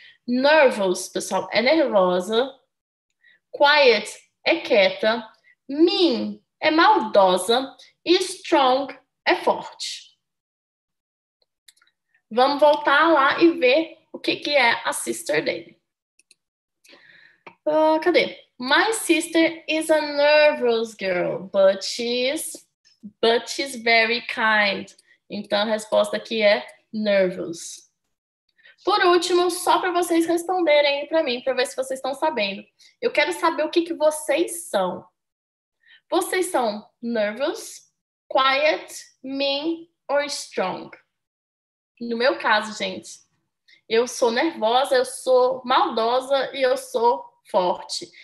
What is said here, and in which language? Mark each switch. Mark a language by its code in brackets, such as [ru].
[pt] Nervous, pessoal, é nervosa. Quiet, é quieta. Mean, é maldosa. E strong, é forte. Vamos voltar lá e ver o que, que é a sister dele. Cadê? [en] My sister is a nervous girl, but she's very kind. [pt] Então, a resposta aqui é nervous. Por último, só para vocês responderem para mim, para ver se vocês estão sabendo. Eu quero saber o que, que vocês são. Vocês são [en] nervous, quiet, mean or strong? [pt] No meu caso, gente, eu sou nervosa, eu sou maldosa e eu sou forte.